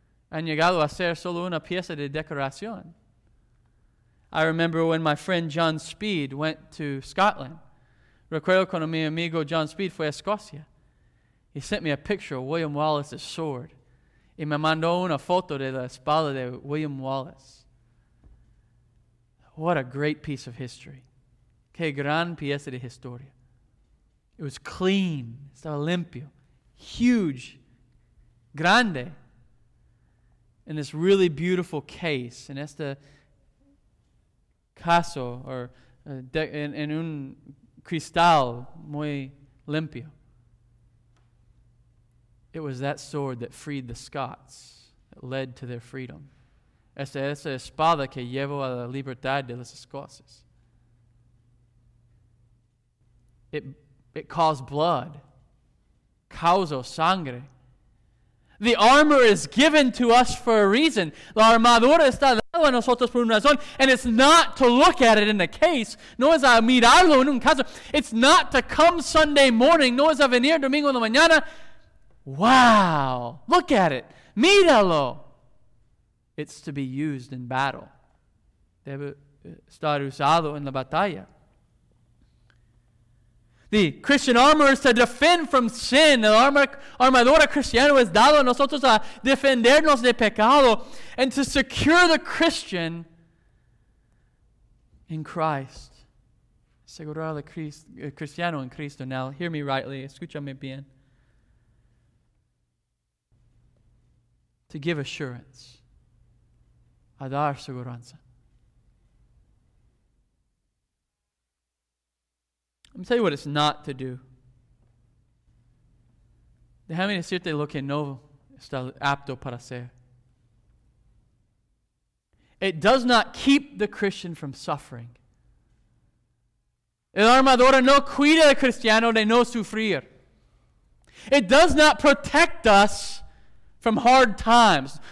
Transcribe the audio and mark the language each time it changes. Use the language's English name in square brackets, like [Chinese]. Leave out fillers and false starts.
[Spanish] Han llegado a ser solo una pieza de decoración. [English] I remember when my friend John Speed went to Scotland. [Spanish] Recuerdo cuando mi amigo John Speed fue a Escocia. [English] He sent me a picture of William Wallace's sword. [Spanish] Y me mandó una foto de la espada de William Wallace. [English] What a great piece of history. [Spanish] Qué gran pieza de historia. [English] It was clean. [Spanish] Estaba limpio. [English] Huge. [Spanish] Grande. [English] In this really beautiful case. [Spanish] En este caso, or en un cristal muy limpio. [English] It was that sword that freed the Scots, that led to their freedom. [Spanish] Esa espada que llevó a la libertad de los escoceses. [English] It caused blood. [Spanish] Causó sangre. [English] The armor is given to us for a reason. [Spanish] La armadura está dada a nosotros por una razón. [English] And it's not to look at it in a case. [Spanish] No es a mirarlo en un caso. [English] It's not to come Sunday morning. [Spanish] No es a venir domingo en la mañana. [English] Wow, look at it. [Spanish] Míralo. [English] It's to be used in battle. [Spanish] Debe estar usado en la batalla. [English] The Christian armor is to defend from sin. [Spanish] La armadura cristiana es dado a nosotros a defendernos de pecado [English] and to secure the Christian in Christ. [Spanish] Asegurar al cristiano en Cristo. [English] Now, hear me rightly. [Spanish] Escúchame bien. [English] To give assurance. [Spanish] A dar seguranza. [English] Let me tell you what it's not to do. [Spanish] Déjame decirte lo que no está apto para hacer. [English] It does not keep the Christian from suffering. [Spanish] El armadura no cuida al cristiano de no sufrir. [English] It does not protect us from hard times.